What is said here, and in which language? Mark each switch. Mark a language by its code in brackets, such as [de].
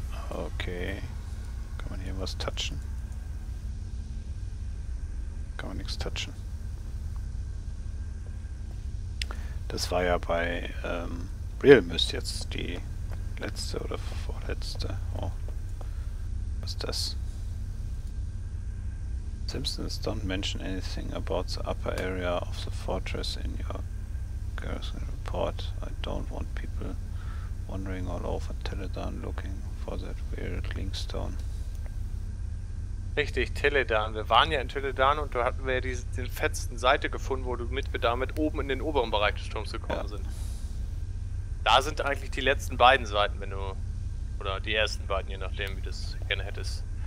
[de] Okay. Kann man hier was touchen? Kann man nichts touchen. Das war ja bei Real Mist jetzt die letzte oder vorletzte. Oh. Was ist das? [en] Simpsons don't mention anything about the upper area of the fortress in your garrison report. I don't want people wandering all over Teledan looking for that weird Linkstone. [de] Richtig, Teledan. Wir waren ja in Teledan und da hatten wir ja den fetzten Seite gefunden, wo wir damit oben in den oberen Bereich des Sturms gekommen sind. Da sind eigentlich die letzten beiden Seiten, wenn du. Oder die ersten beiden, je nachdem, wie du es gerne hättest.